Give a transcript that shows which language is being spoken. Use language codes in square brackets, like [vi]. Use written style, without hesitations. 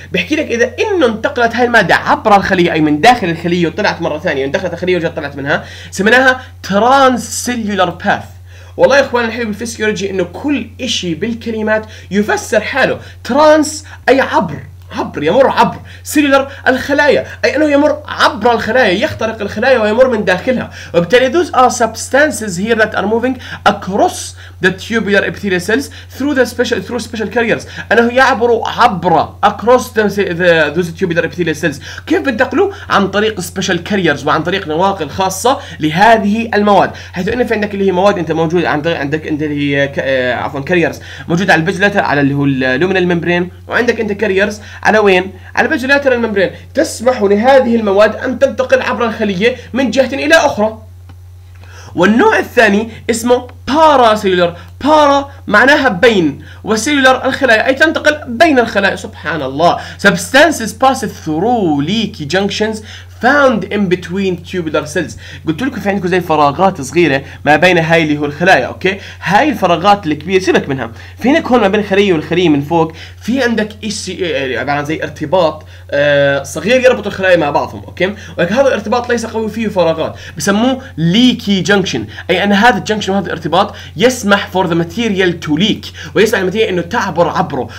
[ar] بحكي لك اذا انه انتقلت هاي الماده عبر الخليه اي من داخل الخليه وطلعت مره ثانيه، دخلت الخليه ورجعت طلعت منها، سميناها ترانسيلولار باث. والله يا اخوان الحلو بالفيسيولوجي انه كل شيء بالكلمات يفسر حاله. ترانس اي عبر، عبر يمر عبر، سيلولر الخلايا اي انه يمر عبر الخلايا، يخترق الخلايا ويمر من داخلها. وبالتالي [en] those are substances here that are moving across the tubular epithelial cells through the special through special carriers، [ar] انه يعبر عبر [en] across those tubular epithelial cells. [ar] كيف بنتقلوا؟ عن طريق special carriers وعن طريق نواقل خاصه لهذه المواد، حيث انه في عندك اللي هي مواد انت موجود عندك انت اللي هي عفوا carriers موجود على البزلاتر على اللي هو اللومينال ممبرين، وعندك انت carriers على وين؟ على بجلاتر الممبرين، تسمح لهذه المواد أن تنتقل عبر الخلية من جهة إلى أخرى. والنوع الثاني اسمه باراسيلولر. بارا معناها بين، وسيلولر الخلايا أي تنتقل بين الخلايا. سبحان الله. [en] Substances pass through leaky junctions found in between tubular cells. [ar] قلت لكم في عندكم زي فراغات صغيرة ما بين هاي اللي هو الخلايا، أوكي؟ هاي الفراغات الكبيرة سيبك منها. في عندك هون ما بين الخلية والخلية من فوق في عندك إشي عبارة عن زي ارتباط صغير يربط الخلايا مع بعضهم، أوكي؟ ولكن هذا الارتباط ليس قوي، فيه فراغات. بسموه leaky junction، أي أن هذا الجنكشن وهذا الارتباط يسمح [en] for the material to leak، [ar] ويسمح للماتيريال إنه تعبر عبره.